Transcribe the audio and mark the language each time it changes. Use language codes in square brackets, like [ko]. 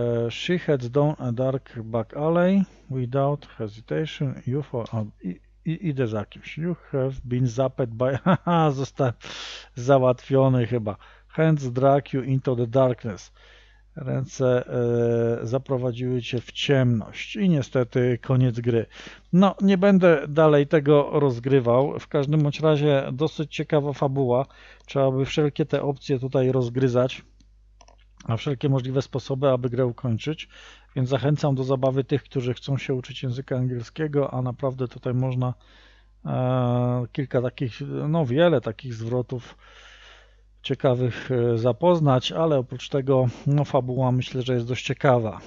[en] She heads down a dark back alley without hesitation. [pl] Idę za kimś. [en] You have been zapped by. [pl] Haha, zostałem załatwiony chyba. [en] Hands drag you into the darkness. [pl] Ręce zaprowadziły cię w ciemność. I niestety koniec gry. No, nie będę dalej tego rozgrywał. W każdym bądź razie dosyć ciekawa fabuła. Trzeba by wszelkie te opcje tutaj rozgryzać. A wszelkie możliwe sposoby, aby grę ukończyć. Więc zachęcam do zabawy tych, którzy chcą się uczyć języka angielskiego, a naprawdę tutaj można kilka takich, no wiele takich zwrotów ciekawych zapoznać, ale oprócz tego, no fabuła myślę, że jest dość ciekawa.